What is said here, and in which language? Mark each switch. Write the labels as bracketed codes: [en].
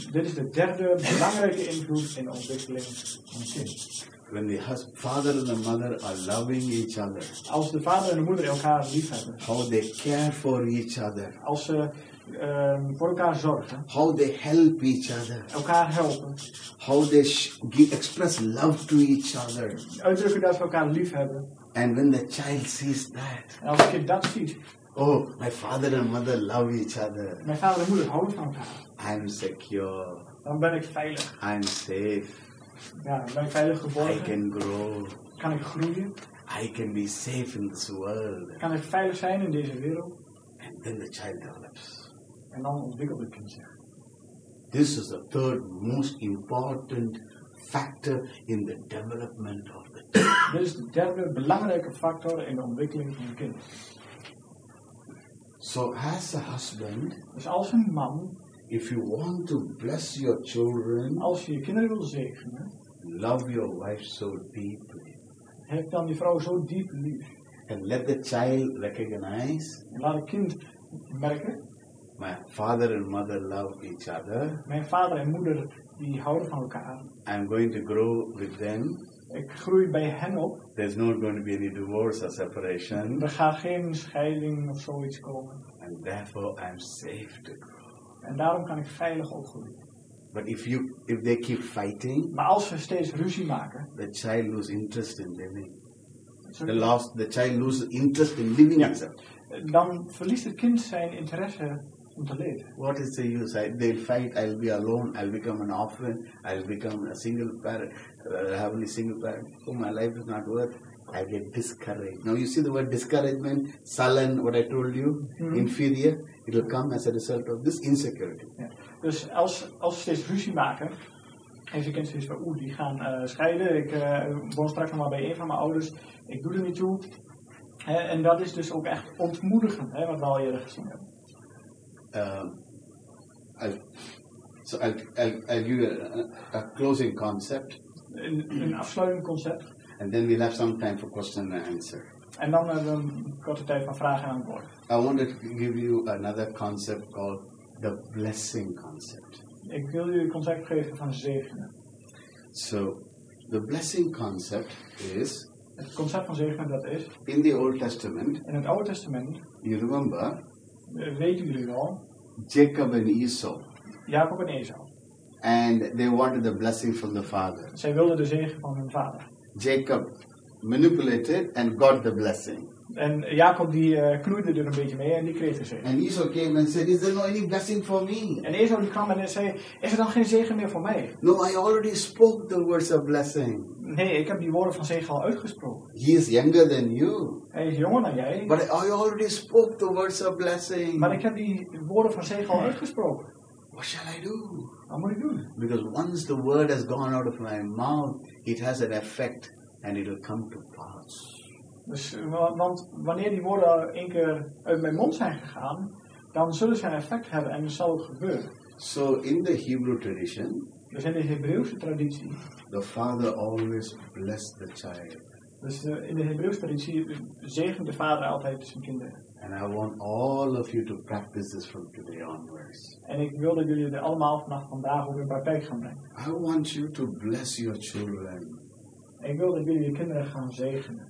[nl] Dit is de derde belangrijke invloed in de ontwikkeling van het kind. [en] When the father and the mother are loving each other. [nl] Als de vader en de moeder elkaar liefhebben. [en] How they care for each other. [nl] Als ze voor elkaar zorgen. [en] How they help each other. [nl] Elkaar helpen. [en] How they express love to each other. [nl] Uitdrukken dat ze elkaar liefhebben. [en] And when the child sees that, [nl] en als het kind dat ziet, [en] oh, my father and mother love each other. [nl] Mijn vader en moeder houden van elkaar. [en] I'm secure. [nl] Dan ben ik veilig. [en] I'm safe. [nl] Ja, dan ben ik veilig geboren. [en] I can grow. [nl] Kan ik groeien? [en] I can be safe in this world. [nl] Kan ik veilig zijn in deze wereld? [en] And then the child develops. [nl] En dan ontwikkelt het kind zich. [en] This is the third most important factor in the development of the child. [nl] Dit is de derde belangrijke factor in de ontwikkeling van een kind. [en] So as a husband, [nl] dus als een man, [en] if you want to bless your children, [nl] als je je kinderen wil zegenen, [en] love your wife so deeply. [nl] Heb dan die vrouw zo diep lief. [en] And let the child recognize, [nl] en laat het kind merken, [en] my father and mother love each other. [nl] Mijn vader en moeder die houden van elkaar. [en] I'm going to grow with them. [nl] Ik groei bij hen op. [en] There's not going to be any divorce or separation. [nl] Er gaat geen scheiding of zoiets komen. [en] And therefore I'm safe to grow. [nl] En daarom kan ik veilig opgroeien. [en] But if they keep fighting, [nl] maar als ze steeds ruzie maken, [en] the child loses interest in living. The child loses interest in living itself. [nl] Dan verliest het kind zijn interesse. [en] What is the use? They'll fight, I'll be alone, I'll become an orphan, I'll become a single parent, heavenly single parent. Oh, my life is not worth, I get discouraged. Now you see the word discouragement, sullen, what I told you, inferior, it will come as a result of this insecurity. Yeah. [nl] Dus als ze steeds ruzie maken, en ze kent steeds van, oeh, die gaan scheiden, ik woon straks nog maar bij een van mijn ouders, ik doe er niet toe. En dat is dus ook echt ontmoedigend, hè, wat we al eerder gezien hebben. [en] I'll give you a closing concept. [nl] Een afsluitend concept. [en] And then we'll have some time for question and answer. [nl] En dan hebben we een korte tijd van vragen en antwoord. [en] I want to give you another concept called the blessing concept. [nl] Ik wil je een concept geven van zegenen. [en] So, the blessing concept is. [nl] Het concept van zegenen dat is. [en] In the Old Testament. [nl] In het Oude Testament. [en] You remember. [nl] Weet jullie wel? Jacob en Esau. Jacob en Esau. [en] And they wanted the blessing from the father. [nl] Zij wilden de zegen van hun vader. [en] Jacob manipulated and got the blessing. [nl] En Jacob die knoeide er een beetje mee en die kreeg de zegen. [en] And Esau came and said, is there no any blessing for me? [nl] En Esau die kwam en zei, is er dan geen zegen meer voor mij? [en] No, I already spoke the words of blessing. [nl] Nee, ik heb die woorden van zegen al uitgesproken. [en] He is younger than you. [nl] Hij is jonger dan jij. [en] But I already spoke the words of blessing. [nl] Maar ik heb die woorden van zegen al uitgesproken. [en] What shall I do? [nl] Wat moet ik doen? [en] Because once the word has gone out of my mouth, it has an effect and it will come to pass. [nl] Dus, want wanneer die woorden een keer uit mijn mond zijn gegaan, dan zullen ze een effect hebben en dan zal het gebeuren. [en] So in the Hebrew tradition. [nl] Dus in de Hebreeuwse traditie. [en] The father always blessed the child. [nl] Dus in de Hebreeuwse traditie zegent de vader altijd zijn kinderen. [en] And I want all of you to practice this from today onwards. [nl] En ik wil dat jullie dit allemaal vanaf vandaag ook in praktijk gaan brengen. [en] I want you to bless your children. [nl] Ik wil dat jullie je kinderen gaan zegenen.